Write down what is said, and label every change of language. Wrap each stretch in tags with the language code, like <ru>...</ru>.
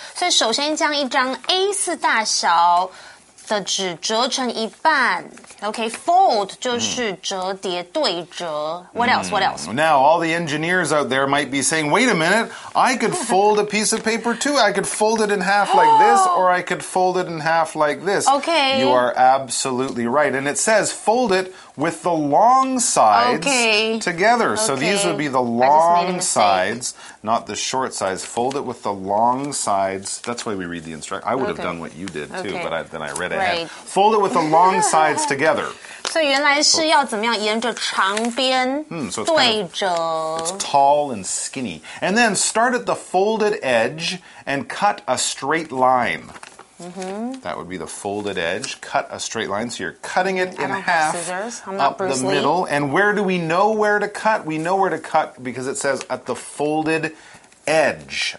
<zh>所以首先将一张 A4 大小的纸折成一半。</zh> <en>Okay, fold</en> <zh>就是折叠对折。</zh> <en>What else? What else? Now, all the engineers out there might be saying, wait a minute, I could fold a piece of paper too. I could fold it in half like this, or I could fold it in half like this. Okay. You are absolutely right. And it says, fold it with the long sides okay. together. Okay. So these would be the long sides, not the short sides. Fold it with the long sides. That's why we read the instructions. I would、okay. have done what you did too,、okay. but then I read ahead.、 Fold it with the long sides together.</en> <zh>所以原来是要怎么样沿着长边对折。</zh> <en>It's tall and skinny. And then start at the folded edge and cut a straight line. Mm-hmm. That would be the folded edge. Cut a straight line. So you're cutting it in half scissors. Up the、 Lee. Middle. And where do we know where to cut? We know where to cut because it says at the folded edge.</en>